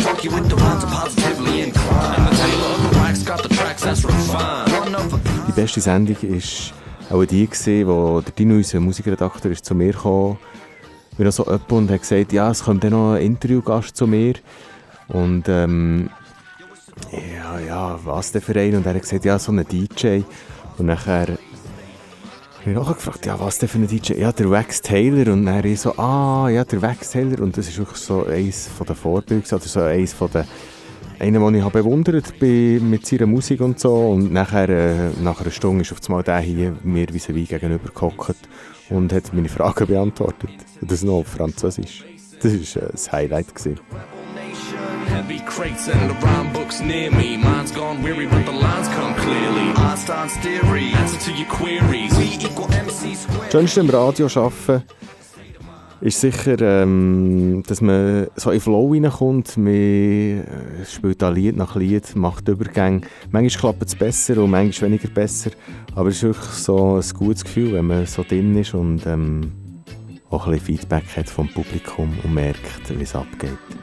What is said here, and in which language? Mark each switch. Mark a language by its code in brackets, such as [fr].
[en] Funky with the rhymes are positively inclined. And the tail of the wax got the tracks that's refined. [de] Die beste Sendung war auch die, gewesen, wo der Dino, unser Musikredakteur, ist zu mir kam. Mir noch so öppe und hat gesagt, ja, es kommt dann noch ein Interviewgast zu mir. Und ja, was denn für einen? Und er hat gesagt, ja, so ein DJ. Und nachher habe ich nachher gefragt, ja, was denn für ein DJ? Ja, der Wax Taylor. Und dann habe ich so, der Wax Taylor. Und das ist wirklich so eins von den Vorbildern, oder so eins von den, einen, den ich habe bewundert mit seiner Musik und so. Und nachher, nach einer Stunde, ist auf einmal der hier mir wie ein gegenüber gehockt und hat meine Fragen beantwortet. Das noch auf Französisch. Das war das Highlight. [en] Heavy crates and the rhyme books near me. Mind's gone weary, but the lines come clearly. Einstein's theory, answer to your queries. We equal MC squared. [de] Schönste im Radio arbeiten ist sicher, dass man so in Flow reinkommt. Man spielt da Lied nach Lied, macht Übergänge. Manchmal klappt es besser und manchmal weniger besser. Aber es ist wirklich so ein gutes Gefühl, wenn man so drin ist und auch ein bisschen Feedback hat vom Publikum und merkt, wie es abgeht.